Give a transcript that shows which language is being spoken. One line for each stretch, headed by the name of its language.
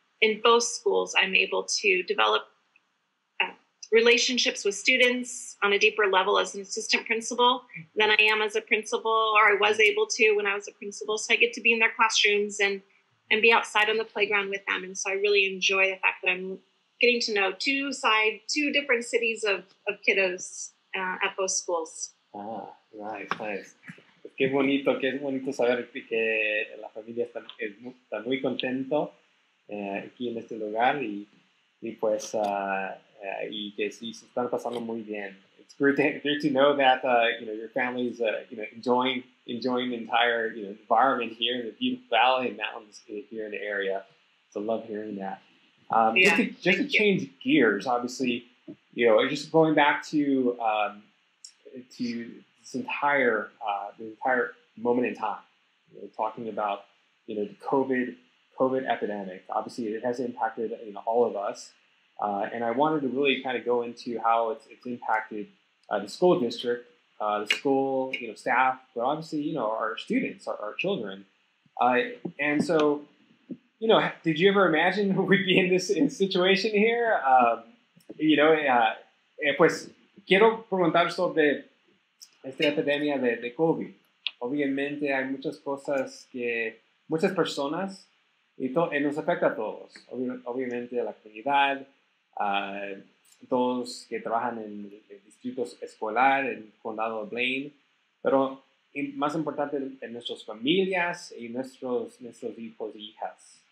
English: In both schools, I'm able to develop relationships with students on a deeper level as an assistant principal than I am as a principal, or I was able to when I was a principal. So I get to be in their classrooms and be outside on the playground with them. And so I really enjoy the fact that I'm getting to know two different cities of kiddos at both schools. Ah, nice, nice.
Spanish: Pues qué bonito saber que la familia está muy contento aquí en este lugar y que sí se están pasando muy bien.
English: It's great to know that your family is enjoying the entire environment here in the beautiful valley and mountains here in the area. So love hearing that. Just to change gears, obviously, just going back to this entire moment in time, talking about the COVID epidemic. Obviously, it has impacted all of us, and I wanted to really kind of go into how it's impacted the school district, the school staff, but obviously our students, our children, and so. Did you ever imagine we'd be in this situation here?
Spanish: Pues quiero preguntar sobre esta epidemia de COVID. Obviamente hay muchas cosas que muchas personas y nos afecta a todos. Obviamente a la comunidad, todos que trabajan en el distrito escolar, en el condado de Blaine, pero más importante en nuestras familias y nuestros hijos e hijas.